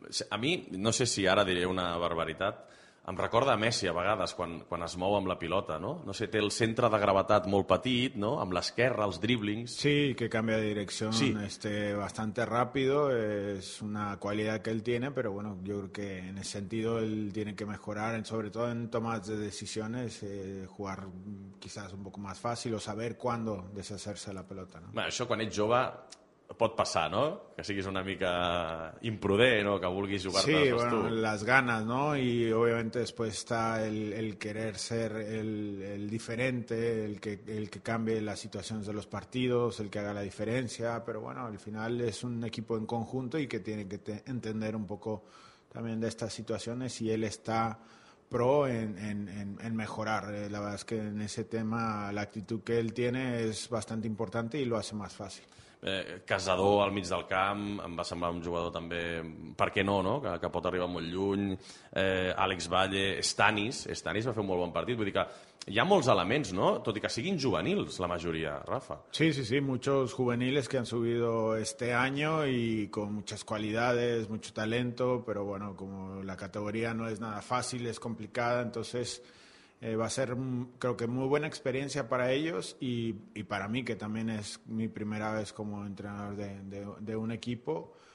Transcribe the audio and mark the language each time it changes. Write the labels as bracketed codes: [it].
[ca] A mi, no sé si ara diré una barbaritat, em recorda a Messi a vegades quan es mou amb la pilota, no? No sé, té el centre de gravetat molt petit, no? Amb l'esquerra, els driblings. Sí, que canvia de direcció, sí. [es] Bastante rápido, es una cualidad que él tiene, pero bueno, yo creo que en ese sentido él tiene que mejorar, sobre todo en tomas de decisiones, jugar quizás un poco más fácil o saber cuándo deshacerse de la pelota, ¿no? [ca] Bueno, això quan ets jove pot passar, no? Que siguis una mica imprudent, no? Que vulguis jugar-te. [es] Sí, bueno, las ganas, ¿no? Y obviamente después está el querer ser el diferente, el que cambie las situaciones de los partidos, el que haga la diferencia, pero bueno, al final es un equipo en conjunto y que tiene que entender un poco también de estas situaciones y él está pro en mejorar. La verdad es que en ese tema la actitud que él tiene es bastante importante y lo hace más fácil. [ca] Casador al mig del camp, em va semblar un jugador també, per què no, no? Que pot arribar molt lluny. Àlex Valle, Stanis va fer un molt bon partit. Vull dir que hi ha molts elements, no? Tot i que siguin juvenils, la majoria, Rafa. [es] Sí, sí, sí, muchos juveniles que han subido este año y con muchas cualidades, mucho talento, pero bueno, como la categoría no es nada fácil, es complicada, entonces... va a ser, creo que, muy buena experiencia para ellos y para mí, que también es mi primera vez como entrenador de un equipo.